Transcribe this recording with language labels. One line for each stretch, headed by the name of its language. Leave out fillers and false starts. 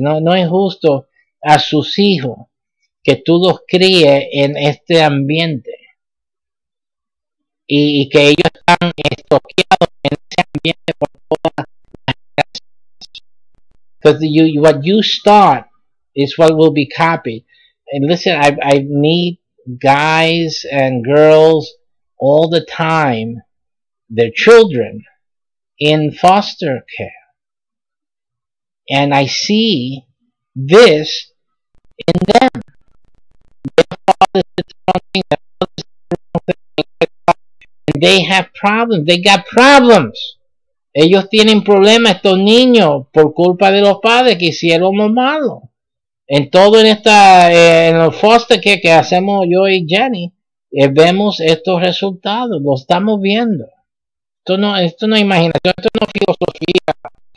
Spanish: No es justo a sus hijos que tú los críes en este ambiente. Y que ellos están estoqueados en ese ambiente por todas las casas.
English: Because what you start is what will be copied. And listen, I meet guys and girls all the time, their children, in foster care. And I see this in them. Their fathers did the wrong thing, their mothers did the wrong thing. And they have problems. They got problems.
Spanish: Ellos tienen problemas, estos niños, por culpa de los padres que hicieron lo malo. En todo en esta, en el foster care que hacemos yo y Jenny, vemos estos resultados. Lo estamos viendo. Esto no es imaginación, esto no es filosofía.